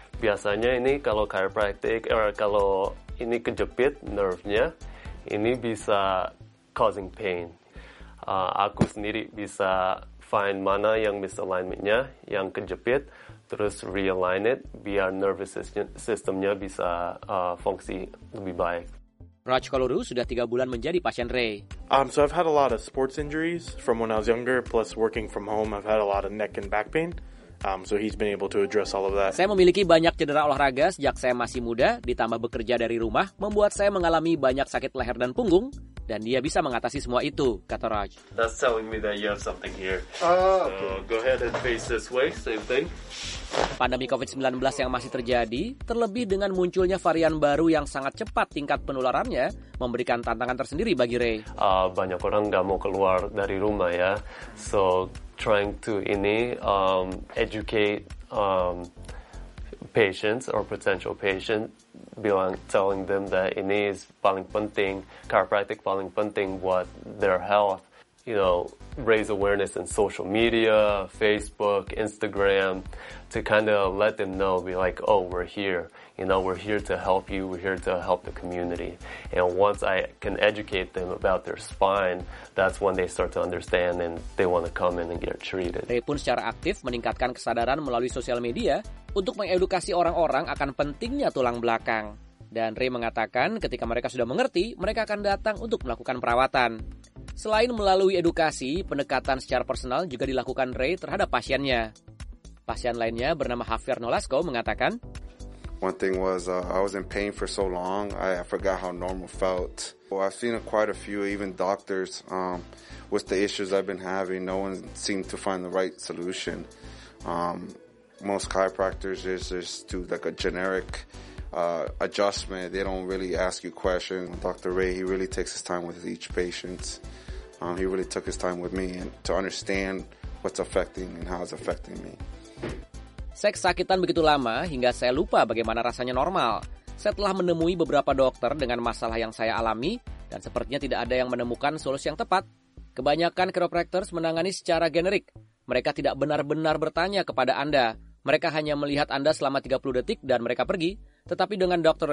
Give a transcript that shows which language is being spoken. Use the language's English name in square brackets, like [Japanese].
[Indonesian] Biasanya ini kalau chiropractic or kalau ini kejepit nerve-nya, ini bisa [English] causing pain. [Indonesian] Aku sendiri bisa find mana yang misalignment-nya, yang kejepit, terus [English] realign it, [Indonesian] biar nervous system-nya bisa fungsi lebih baik. Raj Kaluru sudah 3 bulan menjadi pasien Ray. [English] So I've had a lot of sports injuries from when I was younger, plus working from home, I've had a lot of neck and back pain. So he's been able to address all of that. [Indonesian] Saya memiliki banyak cedera olahraga sejak saya masih muda, ditambah bekerja dari rumah, membuat saya mengalami banyak sakit leher dan punggung, dan dia bisa mengatasi semua itu, kata Raj. [English] That's telling me that you have something here. So go ahead and face this way, same thing. [Indonesian] Pandemi COVID-19 yang masih terjadi, terlebih dengan munculnya varian baru yang sangat cepat tingkat penularannya, memberikan tantangan tersendiri bagi Ray. Banyak orang nggak mau keluar dari rumah ya. [English] So, trying to educate patients or potential patients, telling them that ini is [Indonesian] paling penting, chiropractic paling penting buat [English] their health, you know, raise awareness in social media, Facebook, Instagram, to kind of let them know, be like, oh, we're here, you know, we're here to help you, we're here to help the community. And once I can educate them about their spine, that's when they start to understand and they want to come in and get treated. [Indonesian] Ray pun secara aktif meningkatkan kesadaran melalui sosial media untuk mengedukasi orang-orang akan pentingnya tulang belakang. Dan Ray mengatakan ketika mereka sudah mengerti, mereka akan datang untuk melakukan perawatan. Selain melalui edukasi, pendekatan secara personal juga dilakukan Ray terhadap pasiennya. Pasien lainnya bernama Javier Nolasco mengatakan, [English] "One thing was I was in pain for so long, I forgot how normal felt. Well, I've seen quite a few, even doctors, with the issues I've been having, no one seemed to find the right solution. Most chiropractors just do like a generic adjustment. They don't really ask you questions. Dr. Ray, he really takes his time with each patient. He really took his time with me and to understand what's affecting and how it's affecting me." [Indonesian] Saya kesakitan begitu lama hingga saya lupa bagaimana rasanya normal. Saya telah menemui beberapa dokter dengan masalah yang saya alami dan sepertinya tidak ada yang menemukan solusi yang tepat. Kebanyakan chiropractors menangani secara generik. Mereka tidak benar-benar bertanya kepada Anda. Mereka hanya melihat Anda selama 30 detik dan mereka pergi. Tetapi dengan Dr.